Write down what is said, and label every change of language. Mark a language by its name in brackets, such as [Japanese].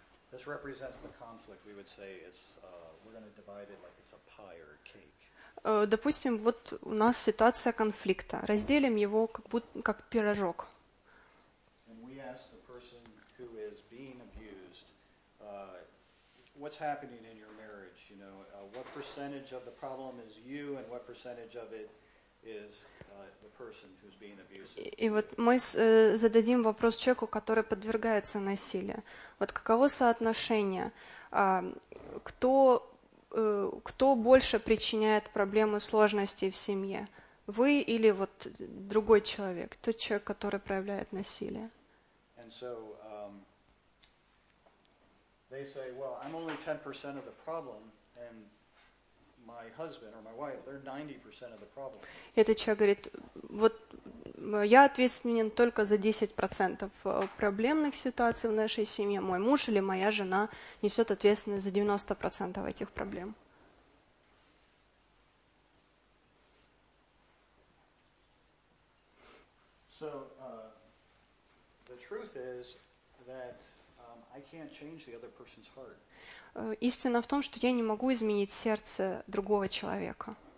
[English] This represents the conflict. We would say it's we're going to divide it like it's a pie or a cake. [Russian] Допустим, вот у нас ситуация конфликта. Разделим его как будто как пирожок. [English] And we ask the person who is being abused, what's happening in your marriage? You know, what percentage of the problem is you, and what percentage of it is the person who's being abused. [Russian] И вот мы зададим вопрос человеку, который подвергается насилию. Вот каково соотношение? Кто больше причиняет проблемы, сложности в семье? Вы или вот другой человек? Тот человек, который проявляет насилие? [English] And so, they say, well, I'm only 10% of the problem, and my husband or my wife, they're 90% of the problem. [Russian] Этот человек говорит, вот я ответственен только за 10% проблемных ситуаций в нашей семье. Мой муж или моя жена несет ответственность за 90% этих проблем. [English] So, the truth is that I can't change the other person's heart. [Russian] Истина в том, что я не могу изменить сердце другого человека.